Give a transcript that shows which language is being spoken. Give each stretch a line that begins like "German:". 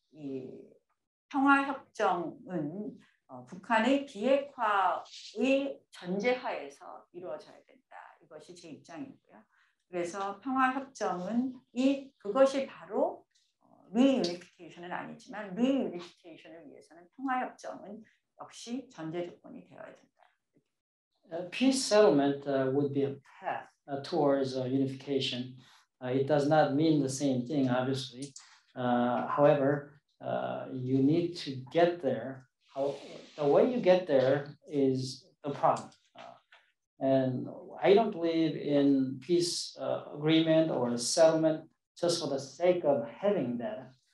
English: I think that the peace process is a very important thing.
Korean: 북한의 비핵화의 전제하에서 이루어져야 된다. 이것이 제 입장이고요. 그래서 평화협정은 그것이 바로 리유니피케이션은 아니지만 리유니피케이션을 위해서는 평화협정은 역시 전제 조건이 되어야 된다.
English: Peace settlement would be a path towards unification. It does not mean the same thing, obviously. However, you need to get there. The way you get there is the problem. And I don't believe in peace agreement or a settlement just for the sake of having that.